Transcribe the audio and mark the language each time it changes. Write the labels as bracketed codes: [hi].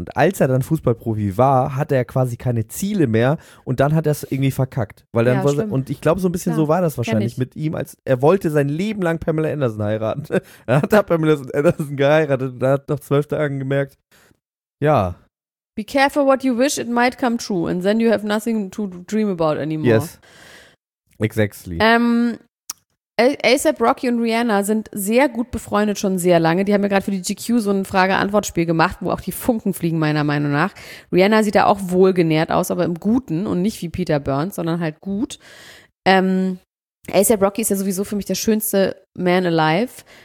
[de] Und als er dann Fußballprofi war, hatte er quasi keine Ziele mehr und dann hat er es irgendwie verkackt. Weil dann ja, und ich glaube, so ein bisschen so war das wahrscheinlich mit ihm, als er wollte sein Leben lang Pamela Anderson heiraten. Dann hat er Pamela Anderson geheiratet und hat nach 12 Tagen gemerkt, ja. [en] Be careful what you wish, it might come true. And then you have nothing to dream about anymore. Yes. Exactly. [de] A$AP Rocky und Rihanna sind sehr gut befreundet schon sehr lange. Die haben ja gerade für die GQ so ein Frage-Antwort-Spiel gemacht, wo auch die Funken fliegen, meiner Meinung nach. Rihanna sieht da auch wohlgenährt aus, aber im Guten und nicht wie Peter Burns, sondern halt gut. A$AP Rocky ist ja sowieso für mich der schönste Man alive.